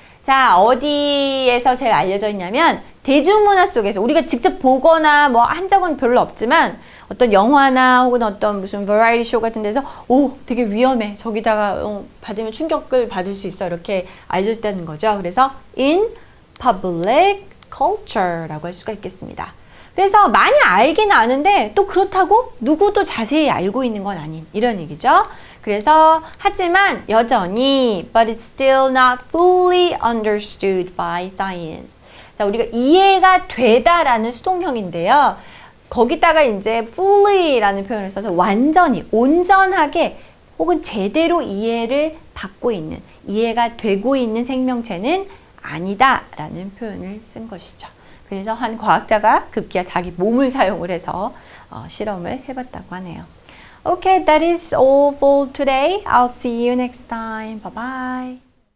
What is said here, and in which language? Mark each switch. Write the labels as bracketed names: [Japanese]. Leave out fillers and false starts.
[Korean] 자, 어디에서 제일 알려져 있냐면 대중문화 속에서 우리가 직접 보거나 뭐 한 적은 별로 없지만 어떤 영화나 혹은 어떤 무슨 버라이어티 쇼 같은 데서 오, 되게 위험해. 저기다가 받으면 충격을 받을 수 있어. 이렇게 알려졌다는 거죠. 그래서 [English] in public culture [Korean] 라고 할 수가 있겠습니다. 그래서 많이 알긴 아는데 또 그렇다고 누구도 자세히 알고 있는 건 아닌 이런 얘기죠. 그래서 하지만 여전히 [English] but it's still not fully understood by science. [Korean] 자, 우리가 이해가 되다라는 수동형인데요. 거기다가 이제 fully라는 표현을 써서 완전히, 온전하게 혹은 제대로 이해를 받고 있는, 이해가 되고 있는 생명체는 아니다라는 표현을 쓴 것이죠. 그래서 한 과학자가 급기야 자기 몸을 사용을 해서 실험을 해봤다고 하네요. [English] Okay, that is all for today. I'll see you next time. Bye-bye.